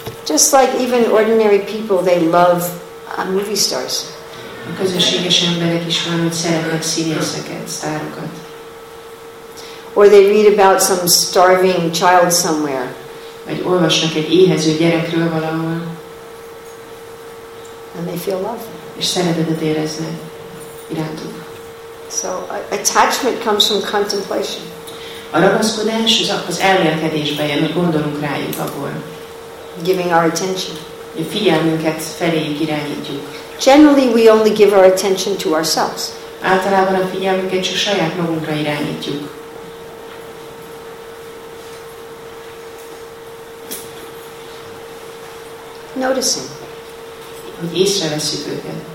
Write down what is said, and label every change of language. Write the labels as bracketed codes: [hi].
[en] Just like even ordinary people, they love movie stars. [hu] A közösséges emberek is van, hogy szeretnek színészeket, sztárokat. [en] Or they read about some starving child somewhere. [hu] Vagy olvasnak egy éhező gyerekről valahol. [en] And they feel love. [hu] És szeretetet éreznek irántuk. [en] So attachment comes from contemplation. [hu] A ragaszkodás az elmélkedésbe jön, hogy gondolunk rájuk abból. [en] Giving our attention. [hu] A figyelmünket feléjük irányítjuk. [en] Generally, we only give our attention to ourselves. [hu] Általában a figyelmünket csak saját magunkra irányítjuk. [en] Noticing. [hu] Hogy észreveszünk őket.